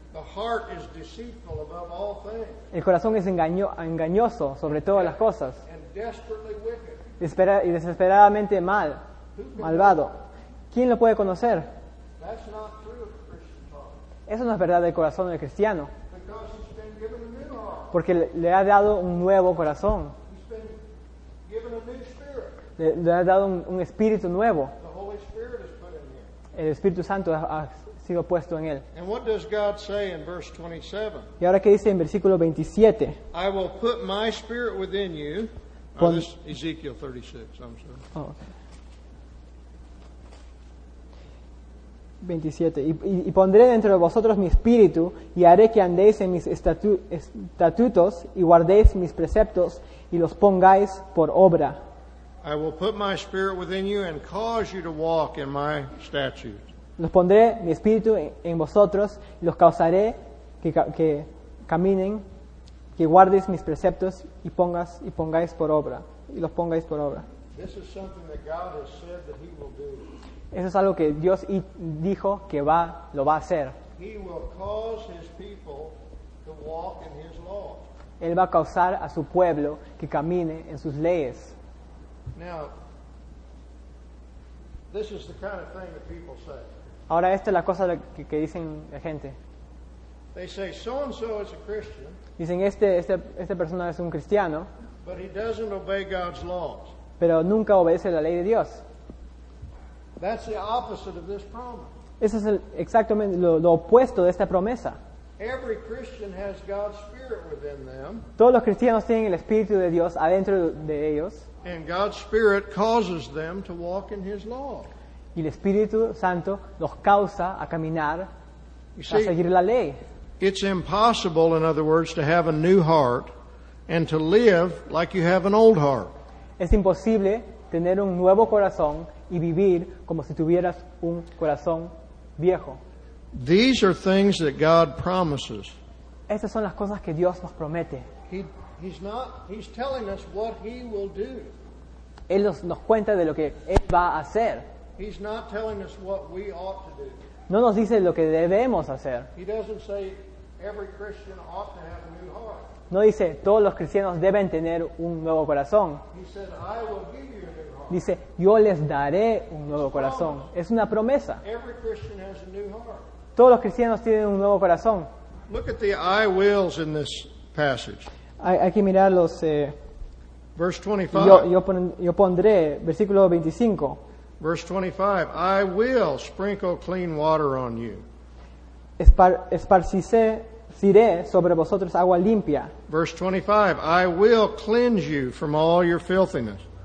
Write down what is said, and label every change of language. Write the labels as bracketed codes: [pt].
[en] the heart is deceitful above all things. [es] El corazón es engañoso sobre todas las cosas. [en] And desperately wicked. [es] Y desesperadamente mal, malvado. ¿Quién lo puede conocer? [en] That's not true of the Christian heart. [es] Eso no es verdad del corazón del cristiano. [en] Because he's been given a new heart. [es] Porque le ha dado un nuevo corazón. [en] He's been given a new spirit. [es] Le ha dado un espíritu nuevo. [en] The Holy Spirit has put in him. [es] El Espíritu Santo ha sido puesto en él. [en] And what does God say in verse 27? [es] ¿Y ahora qué dice en versículo 27? [en] I will put my spirit within you. Oh, this is Ezekiel 36, I'm sorry. Oh, okay. 27. [es] Y pondré dentro de vosotros mi espíritu, y haré que andéis en mis estatutos, y guardéis mis preceptos, y los pongáis por obra. [en] I will put my spirit within you and cause you to walk in my statutes. [es] Los pondré mi espíritu en vosotros y los causaré que caminen, que guardes mis preceptos y pongáis por obra y los pongáis por obra. [en] This is something that God has said that he will do. [es] Eso es algo que Dios dijo que lo va a hacer. [en] He will cause his people to walk in his law. [es] Él va a causar a su pueblo que camine en sus leyes. [en] Now, this is the kind of thing that people say. [es] Ahora, esta es la cosa que dicen la gente. [en] They say, so-and-so is a Christian, [es] dicen, esta persona es un cristiano, [en] but he doesn't obey God's laws. [es] Pero nunca obedece la ley de Dios. [en] That's the opposite of this promise. [es] Eso es exactamente lo opuesto de esta promesa. [en] Every Christian has God's Spirit within them. [es] Todos los cristianos tienen el Espíritu de Dios adentro de ellos. [en] And God's Spirit causes them to walk in his law. [es] Y el Espíritu Santo los causa a caminar, [en] see, [es] a seguir la ley. [en] It's impossible, in other words, to have a new heart and to live like you have an old heart. [es] Es imposible tener un nuevo corazón y vivir como si tuvieras un corazón viejo. [en] These are things that God promises. [es] Estas son las cosas que Dios nos promete. [en] He's telling us what he will do. [es] Él nos cuenta de lo que él va a hacer. [en] He's not telling us what we ought to do. [es] No nos dice lo que debemos hacer. [en] He doesn't say every Christian ought to have a new heart. [es] No dice todos los cristianos deben tener un nuevo corazón. [en] He said, I will give you a new heart. [es] Dice, yo les daré un nuevo corazón. Es una promesa. [en] Every Christian has a new heart. [es] Todos los cristianos tienen un nuevo corazón. [en] Look at the I wills in this passage. [es] Hay que mirar los [en] verse 25. [es] Yo pondré versículo 25. [en] Verse 25, I will sprinkle clean water on you. [es] Esparciré sobre vosotros agua limpia. [en] Verse 25, I will cleanse you from all your filthiness.